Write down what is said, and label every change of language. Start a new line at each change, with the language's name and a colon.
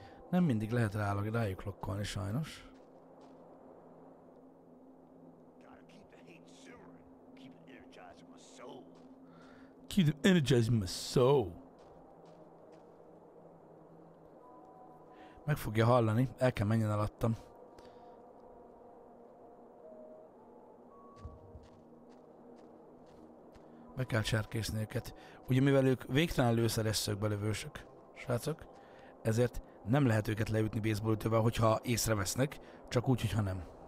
Hungarian: Nem mindig lehet rájuk lokkolni, sajnos.
English: Gotta keep the heat simmering. Keep it energized energizing my soul. Keep them energizing my soul.
Hungarian: Meg fogja hallani, el kell menjen alattam. Meg kell cserkészni őket. Ugye mivel ők végtelen lőszeresszögbe lövősök, srácok, ezért nem lehet őket leütni baseballütővel, hogyha észrevesznek, csak úgy, hogyha nem.